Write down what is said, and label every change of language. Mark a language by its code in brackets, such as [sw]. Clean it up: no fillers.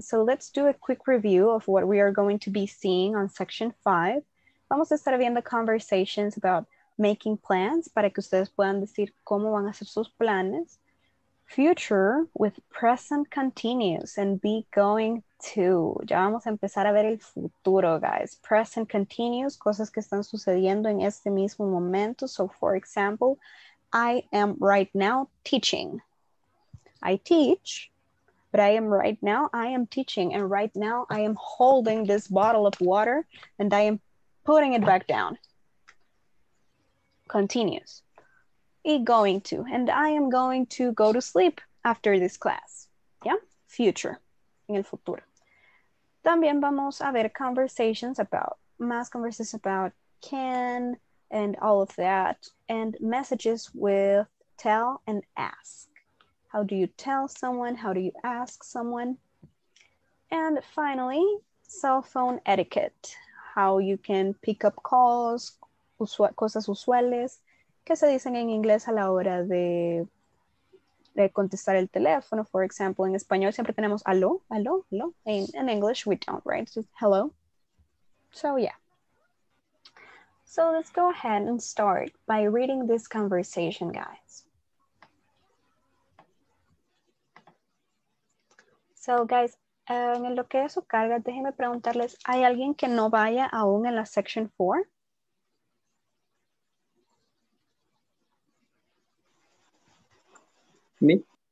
[en] So let's do a quick review of what we are going to be seeing on section 5. [es] Vamos a estar viendo [en] conversations about making plans [es] para que ustedes puedan decir cómo van a hacer sus planes. [en] Future with present continuous and be going to. [es] Ya vamos a empezar a ver el futuro, guys. Present continuous, cosas que están sucediendo en este mismo momento. [en] So, for example, I am right now teaching. I teach, but I am right now, I am teaching. And right now, I am holding this bottle of water and I am putting it back down. Continuous. Going to, and I am going to go to sleep after this class. Yeah, future, [es] en el futuro. También vamos a ver [en] conversations about, [es] más [en] conversations about can and all of that, and messages with tell and ask. How do you tell someone? How do you ask someone? And finally, cell phone etiquette. How you can pick up calls, [es] cosas usuales. ¿Qué se dicen en inglés a la hora de contestar el teléfono? [en] For example, [es] en español siempre tenemos aló, aló, aló. [en] In English, we don't, right? Just hello. So, yeah. So, let's go ahead and start by reading this conversation, guys. So, guys, [es] en lo que eso carga, déjenme preguntarles, ¿hay alguien que no vaya aún en la section 4? [en] Me.